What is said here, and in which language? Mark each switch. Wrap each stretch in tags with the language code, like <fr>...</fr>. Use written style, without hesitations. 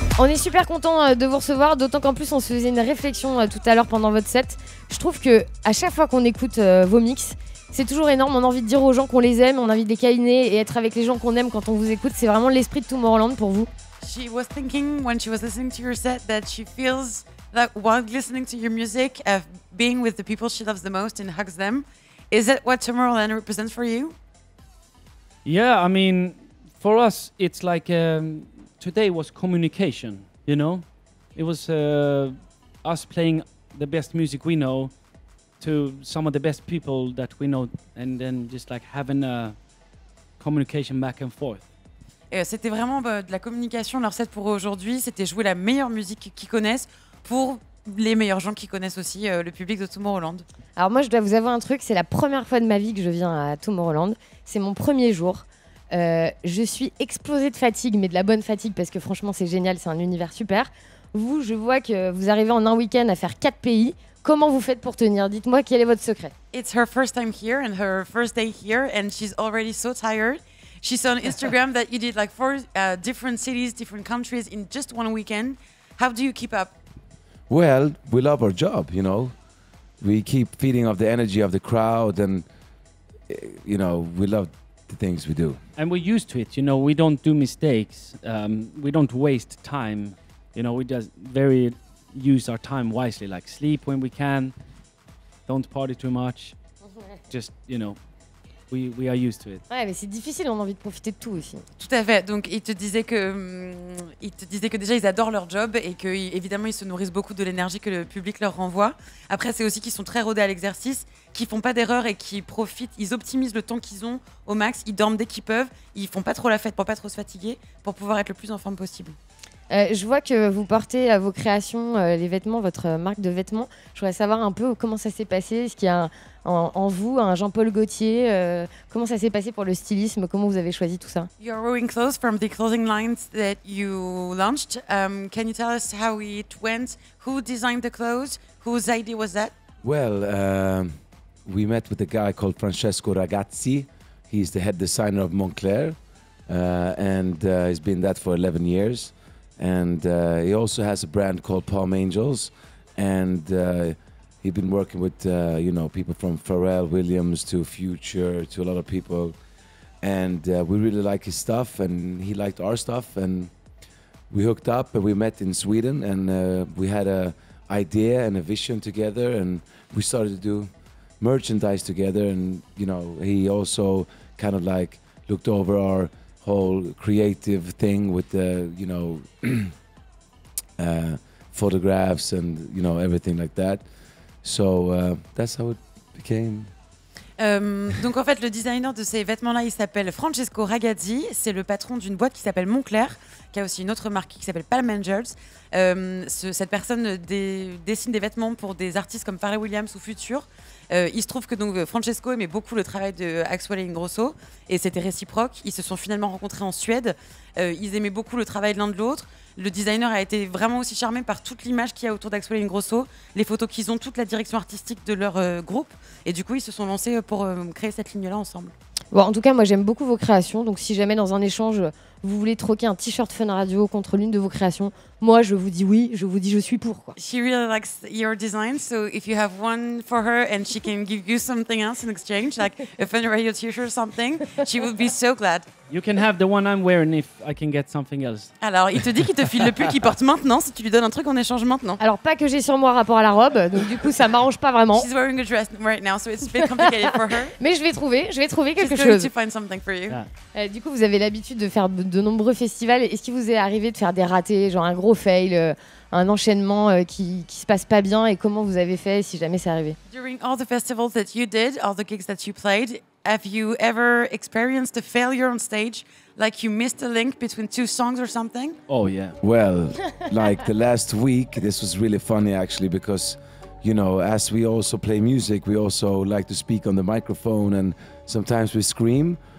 <fr>On est super contents de vous recevoir, d'autant qu'en plus on se faisait une réflexion tout à l'heure pendant votre set. Je trouve que à chaque fois qu'on écoute vos mix, c'est toujours énorme. On a envie de dire aux gens qu'on les aime, on a envie de les câliner et être avec les gens qu'on aime quand on vous écoute. C'est vraiment l'esprit de Tomorrowland pour vous.</fr> <en>She was thinking when she was listening to your set that she feels that while listening to your music, of being with the people she loves the most and hugs them, is that what Tomorrowland represents for you? Yeah, I mean, for us, it's like today was communication, you know? It was us playing the best music we know to some of the best people that we know and then just like having a communication back and forth.</en> <fr>C'était vraiment de la communication, leur set pour aujourd'hui, c'était jouer la meilleure musique qu'ils connaissent pour les meilleurs gens qui connaissent aussi le public de Tomorrowland. Alors moi, je dois vous avouer un truc, c'est la première fois de ma vie que je viens à Tomorrowland. C'est mon premier jour. Je suis explosée de fatigue, mais de la bonne fatigue, parce que franchement, c'est génial, c'est un univers super. Vous, je vois que vous arrivez en un week-end à faire 4 pays. Comment vous faites pour tenir? Dites-moi, quel est votre secret?</fr> <en>It's her first time here and her first day here and she's already so tired. She saw on Instagram that you did like 4 different cities, different countries in just one weekend. How do you keep up? Well, we love our job, you know. We keep feeding off the energy of the crowd and, you know, we love the things we do. And we're used to it, you know, we don't do mistakes. We don't waste time. You know, we just very use our time wisely, like sleep when we can. Don't party too much. Just, you know. We are used to it.</en> <fr>Ouais, mais c'est difficile, on a envie de profiter de tout aussi. Tout à fait. Donc, ils te disaient que déjà, ils adorent leur job et qu'évidemment, ils se nourrissent beaucoup de l'énergie que le public leur renvoie. Après, c'est aussi qu'ils sont très rodés à l'exercice, qu'ils ne font pas d'erreurs et qu'ils profitent, ils optimisent le temps qu'ils ont au max, ils dorment dès qu'ils peuvent, ils ne font pas trop la fête pour ne pas trop se fatiguer, pour pouvoir être le plus en forme possible. Je vois que vous portez à vos créations les vêtements, votre marque de vêtements. Je voudrais savoir un peu comment ça s'est passé. Est-ce qu'il y a en vous un Jean-Paul Gaultier? Comment ça s'est passé pour le stylisme? Comment vous avez choisi tout ça?</fr> <en>You are wearing clothes from the clothing lines that you launched. Can you tell us how it went? Who designed the clothes? Whose idea was that? Well, we met with a guy called Francesco Ragazzi. He's the head designer of Moncler. And he's been that for 11 years. And he also has a brand called Palm Angels, and he's been working with you know, people from Pharrell Williams to Future to a lot of people, and we really like his stuff, and he liked our stuff, and we hooked up, and we met in Sweden, and we had a idea and a vision together, and we started to do merchandise together, and you know, he also kind of like looked over our whole creative thing with the, you know, photographs and, you know, everything like that. So that's how it became.</en> <fr>Donc en fait, le designer de ces vêtements-là, il s'appelle Francesco Ragazzi. C'est le patron d'une boîte qui s'appelle Moncler, qui a aussi une autre marque qui s'appelle Palm Angels. Cette personne dessine des vêtements pour des artistes comme Pharrell Williams ou Future. Il se trouve que donc Francesco aimait beaucoup le travail de Axwell et Ingrosso et c'était réciproque. Ils se sont finalement rencontrés en Suède. Ils aimaient beaucoup le travail de l'un de l'autre. Le designer a été vraiment aussi charmé par toute l'image qu'il y a autour d'Axwell et Ingrosso, les photos qu'ils ont, toute la direction artistique de leur groupe. Et du coup, ils se sont lancés pour créer cette ligne-là ensemble. Bon, en tout cas, moi, j'aime beaucoup vos créations. Donc, si jamais dans un échange, vous voulez troquer un t-shirt Fun Radio contre l'une de vos créations, moi, je vous dis oui, je vous dis je suis pour, quoi.</fr> <en>She really likes your design, so if you have one for her and she can give you something else in exchange, like a Fun Radio t-shirt or something, she would be so glad. You can have the one I'm wearing if I can get something else.</en> <fr>Alors, il te dit qu'il te file le pull qu'il porte maintenant si tu lui donnes un truc en échange maintenant. Alors, pas que j'ai sur moi rapport à la robe, donc du coup, ça m'arrange pas vraiment.</fr> <en>She's wearing a dress right now, so it's a bit complicated for her.</en> <fr>Mais je vais trouver quelque chose.</fr> <en>She's going to find something for you. Yeah.</en> <fr>Du coup, vous avez l'habitude de faire de nombreux festivals. Est-ce qu'il vous est arrivé de faire des ratés, genre un gros fail, un enchaînement qui se passe pas bien, et comment vous avez fait si jamais c'est arrivé?</fr> <en>During all the festivals that you did, all the gigs that you played, have you ever experienced a failure on stage? Like you missed a link between two songs or something? Oh yeah. Well, like the last week, this was really funny actually, because, you know, as we also play music, we also like to speak on the microphone and sometimes we scream.</en>